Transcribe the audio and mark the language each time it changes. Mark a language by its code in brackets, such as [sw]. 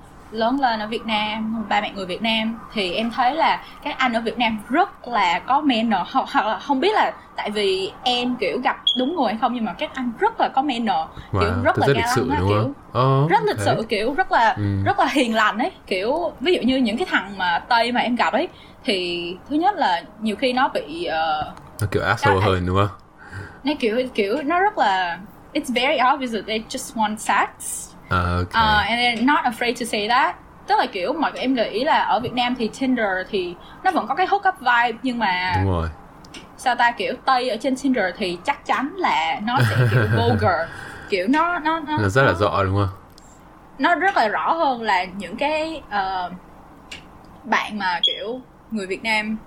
[vi] lớn lên ở Việt Nam, ba mẹ người Việt Nam, thì em thấy là các anh ở Việt Nam rất là có manner, hoặc là không biết là tại vì em kiểu gặp đúng người hay không, nhưng mà các anh rất là có manner, wow, kiểu rất là cao lãnh, kiểu rất lịch sự, kiểu rất là hiền lành ấy. Kiểu ví dụ như những cái thằng mà Tây mà em gặp ấy, thì thứ nhất là nhiều khi nó bị nó kiểu asshole hơn đúng không? Nó kiểu nó rất là [en] it's very obvious that they just want sex. And they're not afraid to say that. [vi] Tức là kiểu mà em nghĩ là ở Việt Nam thì Tinder thì nó vẫn có cái hookup vibe, nhưng mà đúng rồi. Sao ta kiểu Tây ở trên Tinder thì chắc chắn là nó sẽ kiểu vulgar. Kiểu nó rất là rõ đúng không? Nó rất là rõ hơn là những cái bạn mà kiểu người Việt Nam.